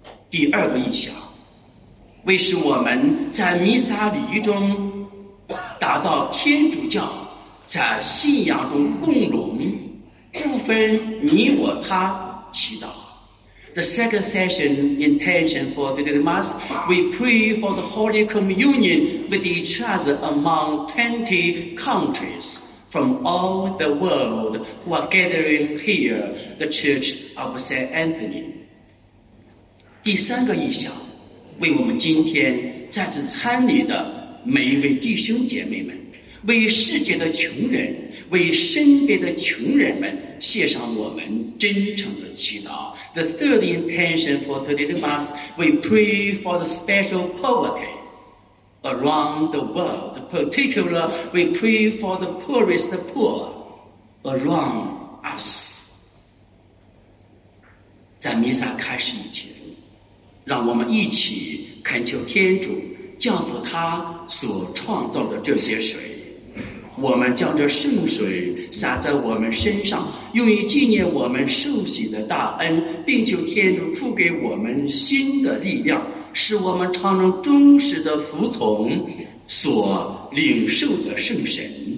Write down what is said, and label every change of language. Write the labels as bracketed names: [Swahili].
[Chinese] 第二个意象，为使我们在弥撒礼仪中达到天主教在信仰中共荣，不分你我他祈祷。 [English] The second session intention for today's mass, we pray for the Holy Communion with each other among 20 countries from all the world who are gathering here, the Church of St. Anthony. [Chinese] 第三个意象，为我们今天在此参礼的每一位弟兄姐妹们，为世界的穷人，为身边的穷人们献上我们真诚的祈祷。 [English] The third intention for today's mass, we pray for the special poverty around the world. Particularly, we pray for the poorest poor around us. [Chinese] 在弥撒开始以前，让我们一起恳求天主降服他所创造的这些水，我们将这圣水洒在我们身上，用于纪念我们受洗的大恩，并求天主赐给我们新的力量，使我们常能忠实地服从所领受的圣神。